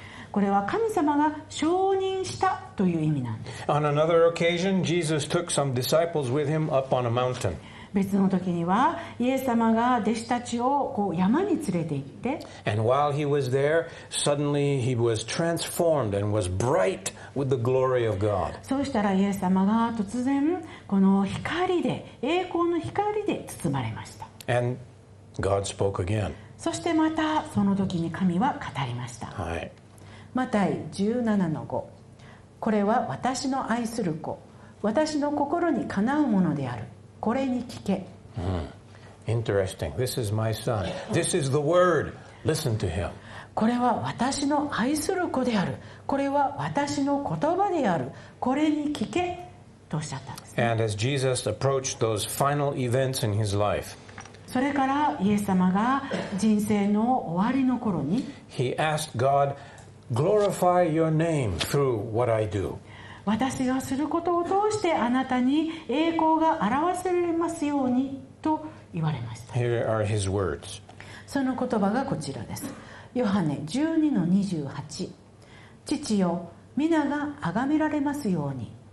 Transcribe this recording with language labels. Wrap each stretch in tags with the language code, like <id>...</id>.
<ja>これは神様が承認したという意味なんです。</ja> <en>On another occasion, Jesus took some disciples with him up on a mountain.</en> <ja>別の時にはイエス様が弟子たちをこう山に連れて行って、</ja> <en>And while he was there, suddenly he was transformed and was bright with the glory of God.</en> <ja>そうしたらイエス様が突然この光で、栄光の光で包まれました。</ja> <en>And God spoke again.</en> <ja>そしてまたその時に神は語りました。はい。マタイ 17-5。これは私の愛する子、私の心にかなうものである。これに聞け。</ja> <en>Interesting. This is my son. This is the word. Listen to him.</en> <ja>これは私の愛する子である。これは私の言葉である。これに聞け。とおっしゃったんです、ね、</ja> <en>And as Jesus approached those final events in his life,</en> <ja>それからイエス様が人生の終わりの頃に</ja> <en>He asked God, glorify your name through what I do.</en> <ja>私がすることを通してあなたに栄光が表せられますようにと言われました。</ja> <en>Here are his words.</en> <ja>その言葉がこちらです。ヨハネ 12-28、 父よ、皆が崇められますように。</ja>